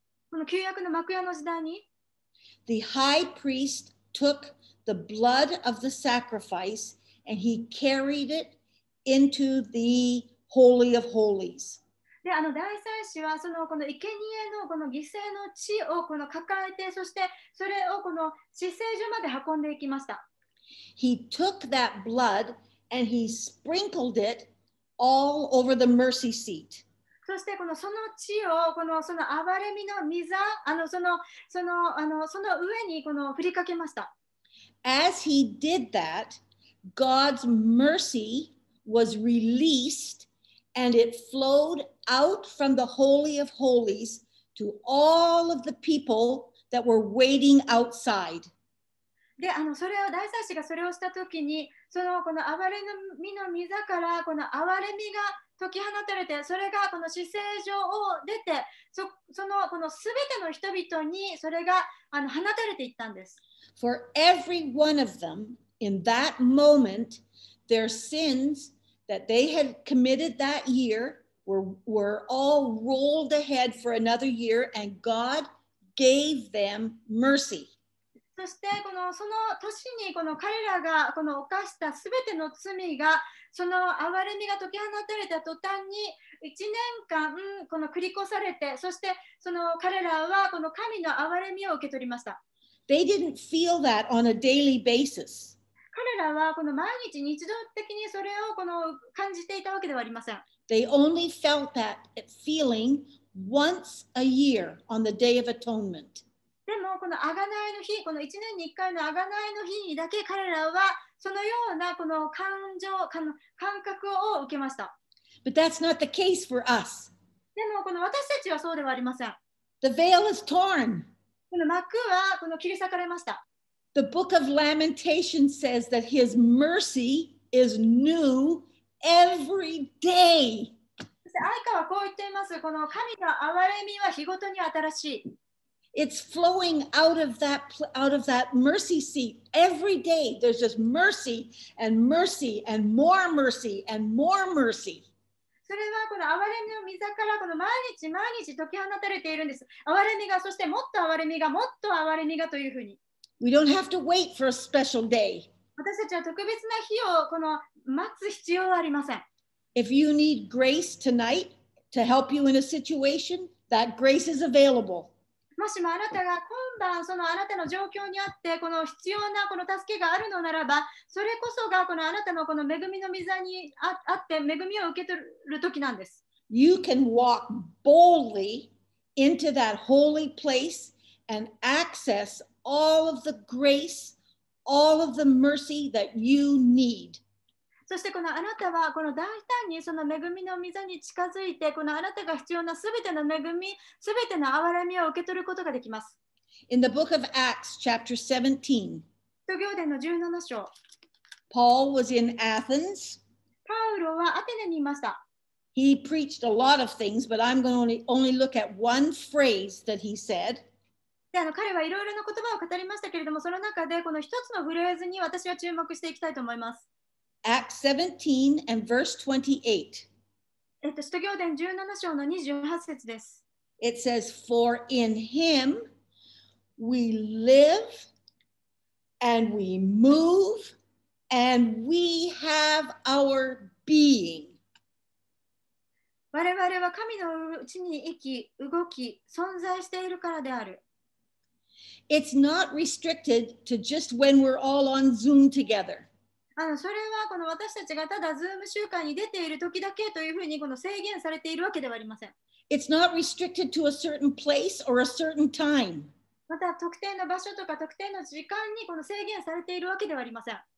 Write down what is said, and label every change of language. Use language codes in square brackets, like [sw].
[ja] この旧約の幕屋の時代に、 [en] the high priest took the blood of the sacrifice and he carried it into theHoly of Holies. [ja] で、あの大祭司はそのこの生贄のこの犠牲の地をこの抱えて、そしてそれをこの至聖所まで運んでいきました。 [en] He took that blood and he sprinkled it all over the mercy seat. [ja] そしてこのその地をこのその憐れみの溝、あのそのそのあのその上にこの振りかけました。 [en] As he did that, God's mercy was released. And it flowed out from the Holy of Holies to all of the people that were waiting outside. [ja] で、それを大祭司がそれをしたときに、そのこの憐れみの御座からこの憐れみが解き放たれて、それがこの至聖所を出て、そのすべての人々にそれが放たれていったんです。 [en] For every one of them, in that moment, their sins that they had committed that year were all rolled ahead for another year, and God gave them mercy. [ja] そしてこのその年にこの彼らがこの犯したすべての罪がその憐れみが解き放たれた途端に1年間この繰り越されて、そしてその彼らはこの神の憐れみを受け取りました。 [en] They didn't feel that on a daily basis. [ja] 彼らはこの毎日日常的にそれをこの感じていたわけではありません。 [en] They only felt that feeling once a year on the Day of Atonement. [ja] でもこの贖いの日、この1年に1回の贖いの日にだけ彼らはそのようなこの感覚を受けました。 [en] But that's not the case for us. [ja] でもこの私たちはそうではありません。 [en] The veil is torn. [ja] この幕はこの切り裂かれました。 [en] The book of Lamentation says that his mercy is new every day. [ja] そして哀歌はこう言っています。この神の憐れみは日ごとに新しい。 [en] It's flowing out of that mercy seat every day. There's just mercy and mercy and more mercy and more mercy. [ja] それはこの憐れみの御座からこの毎日毎日解き放たれているんです。憐れみが、そしてもっと憐れみが、もっと憐れみがというふうに。 [en] We don't have to wait for a special day. [ja] 私たちは特別な日をこの待つ必要はありません。 [en] If you need grace tonight to help you in a situation, that grace is available. [ja] もしもあなたが今晩そのあなたの状況にあってこの必要なこの助けがあるのならば、それこそがこのあなたのこの恵みの御座にあって恵みを受け取る時なんです。 [en] You can walk boldly into that holy place and access all of the grace, all of the mercy that you need. [ja] そしてこのあなたはこの大胆にその恵みの御座に近づいて、このあなたが必要なすべての恵み、すべての憐れみを受け取ることができます。 [en] In the book of Acts, chapter 17, [ja] 使徒行伝の17章、 [en] Paul was in Athens. [ja] パウロはアテネにいました。 [en] He preached a lot of things, but I'm going to only look at one phrase that he said. [ja] で、彼はいろいろな言葉を語りましたけれども、その中でこの一つのフレーズに私は注目していきたいと思います。 [en] Acts 17 and verse 28. [ja] 使徒行伝17章の28節です。 [en] It says, For in him we live and we move and we have our being. [ja] 我々は神のうちに生き、動き、存在しているからである。 [en] It's not restricted to just when we're all on Zoom together. [ja] それはこの私たちがただ Zoom 集会に出ている時だけというふうにこの制限されているわけではありません。 [en] It's not restricted to a certain place or a certain time. [ja] また特定の場所とか特定の時間にこの制限されているわけではありません。